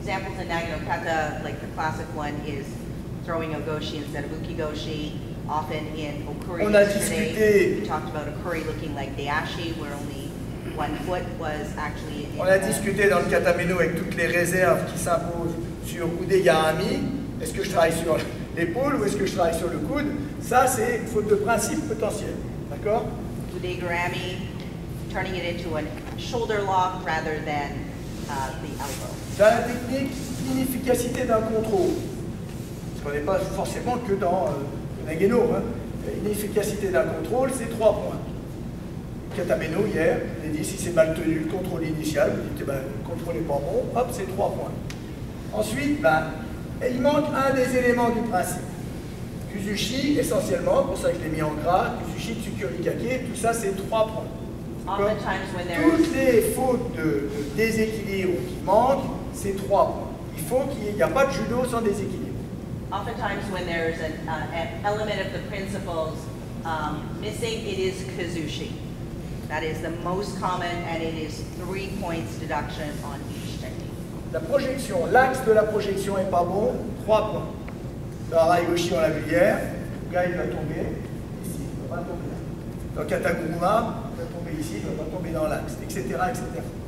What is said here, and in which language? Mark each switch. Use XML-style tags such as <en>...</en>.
<en>Examples in Nageno Kata, like the classic one, is throwing Ogoshi instead of Ukigoshi, often in Okuri.</en> <fr>On a discuté.</fr> <en>We talked about Okuri looking like the Ashi, where only one foot was actually in.</en> <fr>On a discuté dans le Katameno avec toutes les réserves qui s'imposent sur Udeyami, est-ce que je travaille sur l'épaule ou est-ce que je travaille sur le coude? Ça, c'est une faute de principe potentiel, d'accord?</fr> <en>Udeyami, turning it into a shoulder lock rather than the elbow.</en> <fr>Dans la technique, inefficacité d'un contrôle. Parce qu'on n'est pas forcément que dans Nageno. Inefficacité d'un contrôle, c'est 3 points. Katameno, hier, il a dit si c'est mal tenu le contrôle initial, vous dites, ben, le contrôle n'est pas bon, hop, c'est 3 points. Ensuite, il manque un des éléments du principe. Kuzushi, essentiellement, pour ça que je l'ai mis en gras, Kuzushi, Tsukuri Kake, tout ça c'est 3 points. Toutes les fautes de déséquilibre qui manquent, c'est 3 points. Il faut qu'il n'y a pas de judo sans déséquilibre.</fr> <en>Oftentimes, when there's an element of the principles missing, it is Kuzushi. That is the most common, and it is 3 points deduction on each technique.</en> <fr>La projection, l'axe de la projection n'est pas bon, 3 points. Dans Araigoshi, on l'a vu hier, le gars il va tomber ici, il ne va pas tomber là. Dans Kataguma, il va tomber ici, il ne va pas tomber dans l'axe, etc., etc.</fr>